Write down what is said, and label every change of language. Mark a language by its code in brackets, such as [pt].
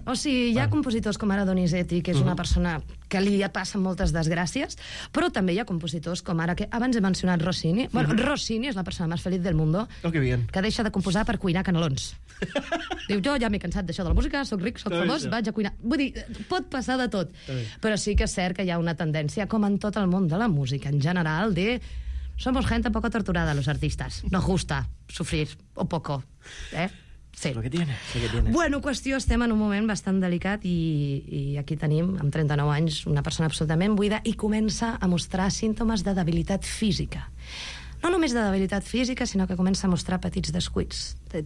[ca] O sigui, hi ha compositors com ara Donizetti, que és una persona que li passen moltes desgràcies, però també hi ha compositors com ara, que abans he mencionat Rossini. Bueno, Rossini és la persona més feliç del món. [es] Oh, que bien. [ca] Que deixa de composar per cuinar canelons. Diu, jo ja m'he cansat d'això de la música, soc ric, soc famós, vaig a cuinar. Vull dir, pot passar de tot. Però sí que és cert que hi ha una tendència, com en tot el món de la música en general, de... [es] Somos gente poco torturada, los artistas. Nos gusta sufrir, o poco. Sí. Lo que tiene, lo que tiene. [ca] Bueno, qüestió, estem en un moment bastant delicat i aquí tenim, amb 39 anys, una persona absolutament buida i comença a mostrar símptomes de debilitat física. No només de debilitat física, sinó que comença a mostrar petits descuits.